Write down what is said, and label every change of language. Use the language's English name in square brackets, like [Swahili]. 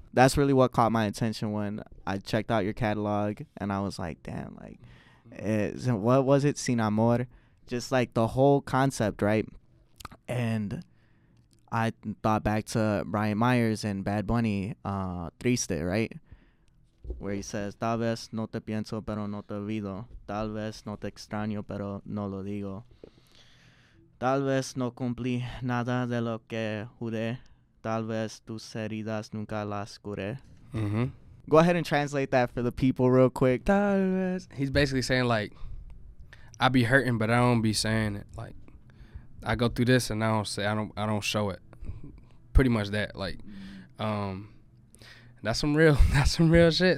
[English] That's really what caught my attention when I checked out your catalog, and I was like, damn, like, what was it? Sin Amor? Just like the whole concept, right? And I thought back to Brian Myers and Bad Bunny, Triste, right? [Spanish] Where he says, tal vez no te pienso, pero no te olvido. Tal vez no te extraño, pero no lo digo. Tal vez no cumplí nada de lo que juré. Tal vez tus heridas nunca las curé. Mm-hmm. [English] Go ahead and translate that for the people real quick. [Spanish] Tal vez. [English] He's basically saying, like, I be hurting, but I don't be saying it. Like, I go through this and I don't show it. Pretty much that. Like, that's some real shit.